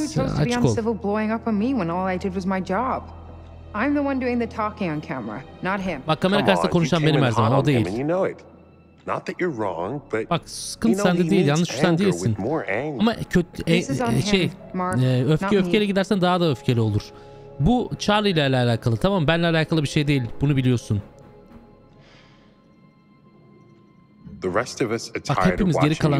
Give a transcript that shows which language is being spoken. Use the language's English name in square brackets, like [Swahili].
[English] He's the one who chose to be uncivil blowing up on me when all I did was my job. I'm the one doing the talking on camera, not him. [Turkish] Bak, kamera karşısında konuşan benim her zaman, o değil. [English] Not that you're wrong, but [Turkish] bak, sıkıntı sende değil, yanlış sen değilsin. Ama kötü, öfkeyle gidersen daha da öfkeli olur. Bu Charlie ile alakalı, tamam, benle alakalı bir şey değil, bunu biliyorsun. [English] The rest of us are tired. [Turkish] Bak, hepimiz geri kalan,